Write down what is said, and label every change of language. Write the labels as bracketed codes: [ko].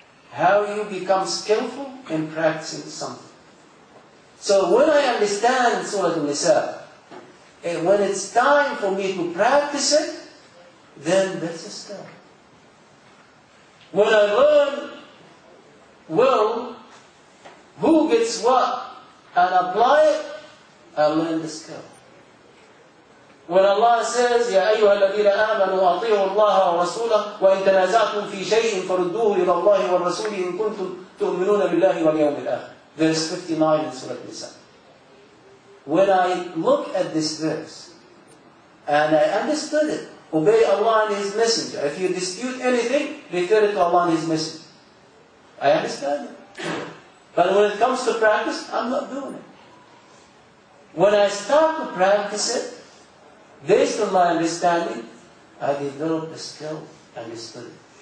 [en] How you become skillful in practicing something. So when I understand Surah An-Nisa, and when it's time for me to practice it, then that's a skill. When I learn well who gets what and apply it, I learn the skill. When Allah says, [ar] يَا أَيُّهَا الَّذِينَ آمَنُوا أَطِيعُوا اللَّهَ وَرَسُولَهُ وَإِنْ تَنَازَعْتُمْ فِي شَيْءٍ فَرُدُّوهُ إِلَى اللَّهِ وَالرَّسُولِ إِنْ كُنْتُمْ تُؤْمِنُونَ بِاللَّهِ وَالْيَوْمِ الْآخِرِ. [en] Verse 59 in Surah Nisa. When I look at this verse and I understood it, obey Allah and His Messenger. If you dispute anything, refer it to Allah and His Messenger. I understand it. But when it comes to practice, I'm not doing it. When I start to practice it, based on my understanding, I develop the skill and the spirit.